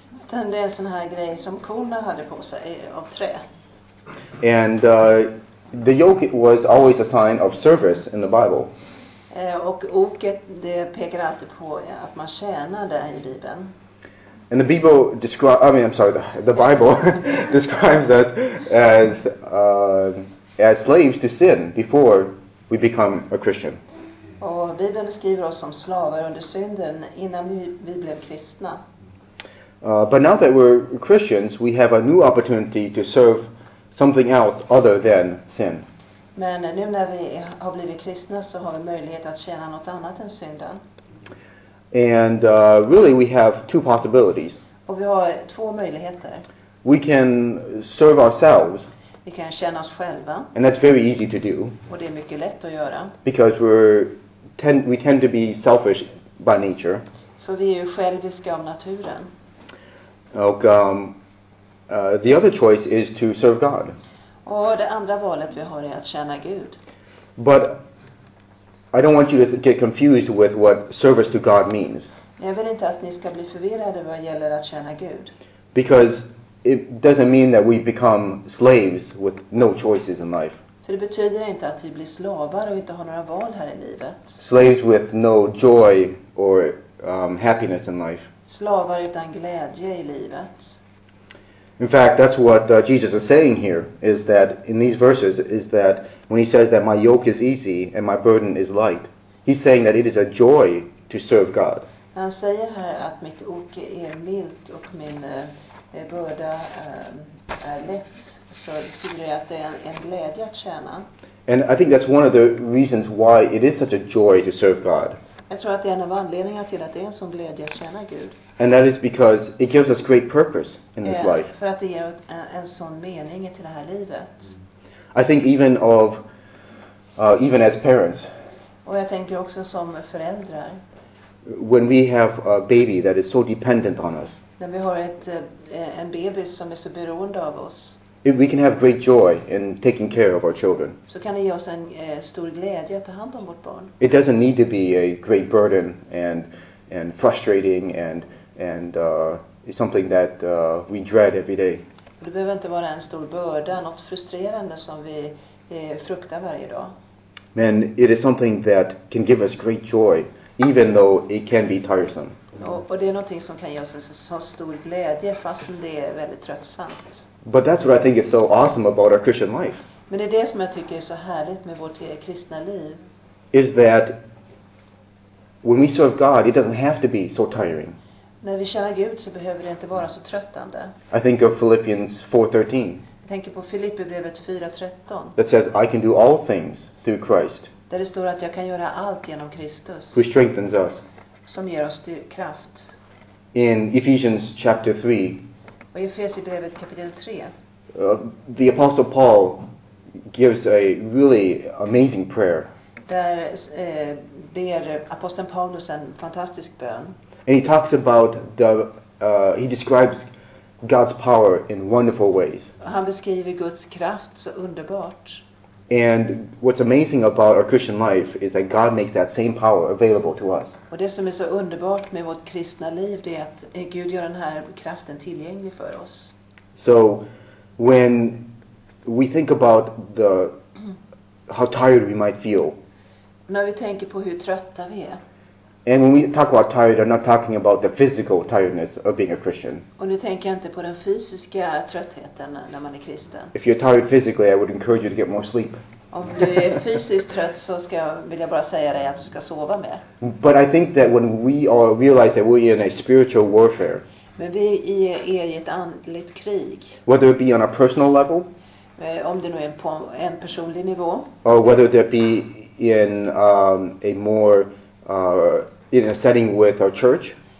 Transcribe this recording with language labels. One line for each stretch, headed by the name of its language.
Swedish: Det är en sån här grej som korna hade på sig av trä.
English: And the yoke was always a sign of service in the Bible.
Swedish: Och oket, det pekar alltid på att man tjänade i Bibeln.
English: And the Bible describes describes us as slaves to sin before we become a Christian.
Swedish: Och Bibeln beskriver oss som slavar under synden innan vi blev kristna.
English: But now that we're Christians, we have a new opportunity to serve something else other than sin.
Swedish: Men nu när vi har blivit kristna så har vi möjlighet att tjäna något annat än synden.
English: And really we have two possibilities.
Swedish: Och vi har två möjligheter.
English: We can serve ourselves.
Swedish: Vi kan tjäna oss själva.
English: And that's very easy to do.
Swedish: Och det är mycket lätt att göra.
English: Because we tend to be selfish by nature.
Swedish: För vi är ju själviska av naturen. Och
English: the other choice is to serve God.
Swedish: Och det andra valet vi har är att tjäna Gud.
English: But I don't want you to get confused with what service to God means.
Swedish: Jag vill inte att ni ska bli förvirrade vad gäller att tjäna Gud.
English: Because it doesn't mean that we become slaves with no choices in life.
Swedish: För det betyder inte att vi blir slavar och inte har några val här i livet.
English: Slaves with no joy or happiness in life.
Swedish: Slavar utan glädje i livet.
English: In fact, that's what Jesus is saying here, is that in these verses, is that when he says that my yoke is easy and my burden is light, he's saying that it is a joy to serve God.
Swedish: Han säger här att mitt ok är milt och min börda är lätt, så betyder det att det är en glädje att tjäna.
English: And I think that's one of the reasons why it is such a joy to serve God.
Swedish: Jag tror att det är en av anledningarna till att det är en sån glädje att tjäna Gud.
English: And that is because it gives us great purpose in this life.
Swedish: För att det ger en sån mening till det här livet.
English: I think even of even as parents.
Swedish: Och jag tänker också som föräldrar.
English: When we have a baby that is so dependent on us.
Swedish: När vi har en bebis som är så beroende av oss.
English: If we can have great joy in taking care of our children.
Swedish: Så kan det ge oss en stor glädje att ta hand om vårt barn.
English: It doesn't need to be a great burden and frustrating and something that we dread every day.
Swedish: Det behöver inte vara en stor börda, något frustrerande som vi fruktar varje dag. Men
English: it is something that can give us great joy, even though it can be tiresome.
Swedish: Och det är någonting som kan ge oss så stor glädje fastän det är väldigt tröttsamt.
English: But that's what I think is so awesome about our Christian life.
Swedish: Men det är det som jag tycker är så härligt med vårt kristna liv.
English: Is that when we serve God, it doesn't have to be so tiring.
Swedish: När vi tjänar Gud så behöver det inte vara så tröttande.
English: I think of Philippians 4:13.
Swedish: Jag tänker på Filipperbrevet 4:13.
English: That says I can do all things through Christ.
Swedish: Där det står att jag kan göra allt genom Kristus.
English: Who strengthens us.
Swedish: Som ger oss kraft.
English: In Ephesians chapter 3.
Swedish: Och i Efesierbrevet kapitel 3.
English: The apostle Paul gives a really amazing prayer.
Swedish: Där ber aposteln Paulus en fantastisk bön.
English: And he talks about he describes God's power in wonderful ways.
Swedish: Han beskriver Guds kraft så underbart.
English: And what's amazing about our Christian life is that God makes that same power available to us.
Swedish: Och det som är så underbart med vårt kristna liv är att Gud gör den här kraften tillgänglig för oss.
English: So when we think about the how tired we might feel.
Swedish: När vi tänker på hur trötta vi är.
English: And when we talk about tired, I'm not talking about the physical tiredness of being a Christian.
Swedish: Och nu tänker jag inte på den fysiska tröttheten när man är kristen.
English: If you're tired physically, I would encourage you to get more sleep.
Swedish: Om du är fysiskt trött så ska jag vilja bara säga dig att du ska sova mer.
English: But I think that when we all realize that we're in a spiritual warfare.
Swedish: Men vi är i ett andligt krig.
English: Whether it be on a personal level.
Swedish: Om det nu är på en personlig nivå.
English: Or whether it be in a more in a setting with our church,